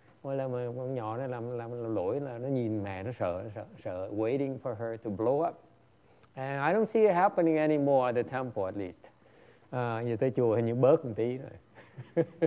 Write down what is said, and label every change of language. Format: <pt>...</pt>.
<vi>Mỗi lần mà con nhỏ này làm lỗi là nó nhìn mẹ nó sợ,</vi> <en>waiting for her to blow up. And I don't see it happening anymore at the temple, at least.</en> <vi>Giờ tới chùa hình như bớt một tí rồi.</vi>